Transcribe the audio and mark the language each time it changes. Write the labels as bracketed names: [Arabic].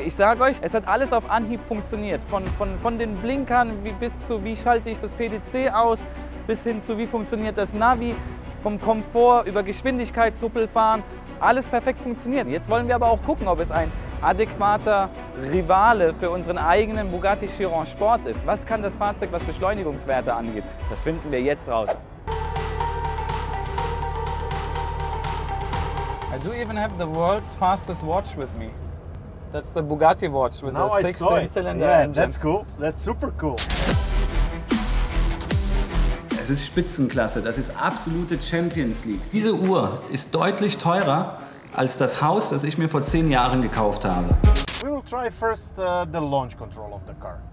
[German] Ich sage euch, es hat alles auf Anhieb funktioniert. Von den Blinkern bis zu wie schalte ich das PDC aus, bis hin zu wie funktioniert das Navi. Vom Komfort über Geschwindigkeitshuppelfahren, alles perfekt funktioniert. Jetzt wollen wir aber auch gucken, ob es ein adäquater Rivale für unseren eigenen Bugatti Chiron Sport ist. Was kann das Fahrzeug, was Beschleunigungswerte angeht? Das finden wir jetzt raus. [English] I do even have the world's fastest watch with me. That's the Bugatti watch with now the 16-cylinder engine. Yeah, that's cool. That's super cool. [German] Es ist Spitzenklasse. Das ist absolute Champions League. Diese Uhr ist deutlich teurer als das Haus, das ich mir vor 10 Jahren gekauft habe. [English] We will try first the launch control of the car.